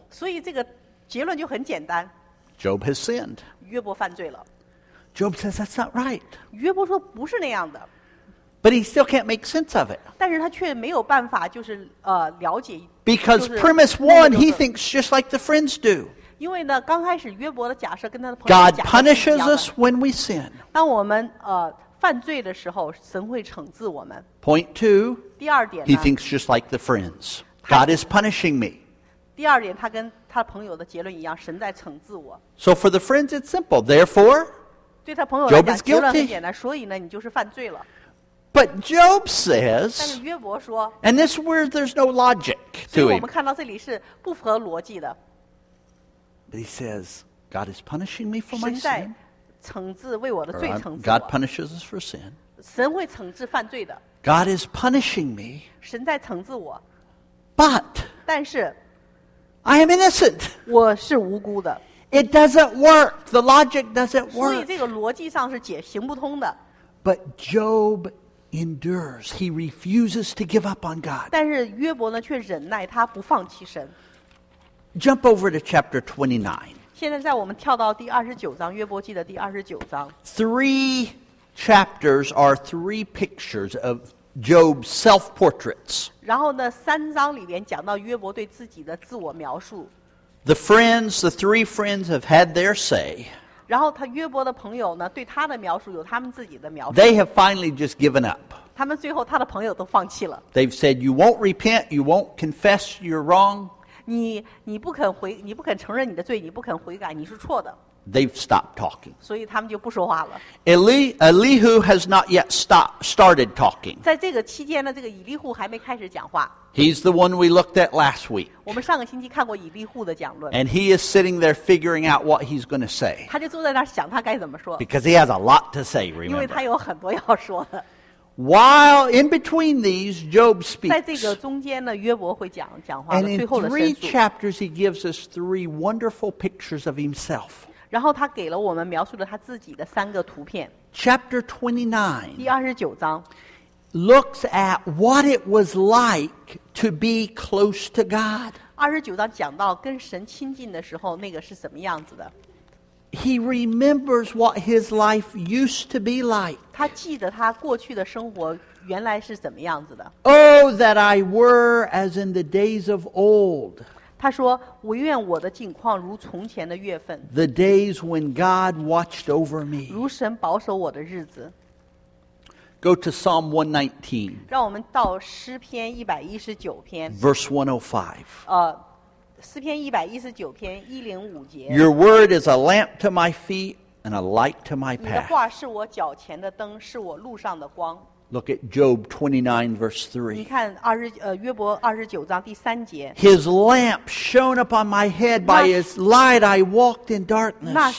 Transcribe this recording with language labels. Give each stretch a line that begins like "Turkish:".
Chinese: 所以这个结论就很简单。
English: Job has sinned.
Chinese: 约伯犯罪了。
English: Job says that's not right.
Chinese: 约伯说不是那样的。
English: But he still can't make sense of it.
Chinese: 但是他却没有办法就是了解。
English: Because premise one, he thinks just like the friends do.
Chinese: 因为呢，刚开始约伯的假设跟他的朋友讲的。
English: God punishes us when we sin.
Chinese: 当我们犯罪的时候，神会惩治我们。
English: Point two.
Chinese: 第二点呢,
English: he thinks just like the friends. God is punishing me.
Chinese: 第二点，他跟他朋友的结论一样，神在惩治我。
English: So for the friends, it's simple. Therefore,
Chinese: 对他朋友来讲,
English: Job is guilty.
Chinese: 结论很简单，所以呢，你就是犯罪了。
English: But Job says,
Chinese: 但是约伯说,
English: and this word, there's no logic to it.
Chinese: 所以我们看到这里是不符合逻辑的。
English: But he says, God is punishing me for my sin.
Chinese: 神在惩治为我的罪惩治我。
English: God punishes us for sin.
Chinese: 神会惩治犯罪的。
English: God is punishing me.
Chinese: 神在惩治我。
English: But
Chinese: 但是,
English: I am innocent.
Chinese: 我是无辜的。
English: It doesn't work. The logic doesn't work.
Chinese: 所以这个逻辑上是行不通的。
English: But Job endures. He refuses to give up on God.
Chinese: 但是约伯呢却忍耐，他不放弃神。
English: Jump over to chapter 29.
Chinese: 现在我们跳到第29章，约伯记的第29章。
English: Three chapters are three pictures of Job's self-portraits.
Chinese: 然后呢，三章里边讲到约伯对自己的自我描述。
English: The friends, the three friends have had their say.
Chinese: 然后他约伯的朋友呢，对他的描述有他们自己的描述。
English: They have finally just given up.
Chinese: 他们最后他的朋友都放弃了。
English: They've said, you won't repent, you won't confess your wrong.
Chinese: 你不肯承认你的罪，你不肯悔改，你是错的。
English: They've stopped talking.
Chinese: 所以他们就不说话了。
English: Elihu has not yet started talking.
Chinese: 在这个期间呢，这个以利户还没开始讲话。
English: He's the one we looked at last week.
Chinese: 我们上个星期看过以利户的讲论。
English: And he is sitting there figuring out what he's going to say.
Chinese: 他就坐在那儿想他该怎么说。
English: Because he has a lot to say, remember.
Chinese: 因为他有很多要说的。
English: While in between these, Job speaks.
Chinese: 在这个中间呢，约伯会讲话。
English: And in three chapters, he gives us three wonderful pictures of himself.
Chinese: 然后他给了我们描述了他自己的三个图片。
English: Chapter 29
Chinese: 第29章
English: looks at what it was like to be close to God.
Chinese: 29章讲到跟神亲近的时候那个是什么样子的。
English: He remembers what his life used to be like.
Chinese: 他记得他过去的生活原来是怎么样子的。
English: Oh, that I were as in the days of old.
Chinese: 他说：“我愿我的境况如从前的月份。”
English: The days when God watched over me.
Chinese: 如神保守我的日子。
English: Go to Psalm 119.
Chinese: 让我们到诗篇119篇。
English: Verse 105.
Chinese: 诗篇119篇105节。
English: Your word is a lamp to my feet and a light to my path.
Chinese: 你的话是我脚前的灯，是我路上的光。
English: Look at Job 29, verse 3.
Chinese: 你看约伯29章第三节。
English: His lamp shone upon my head, by his light I walked in darkness.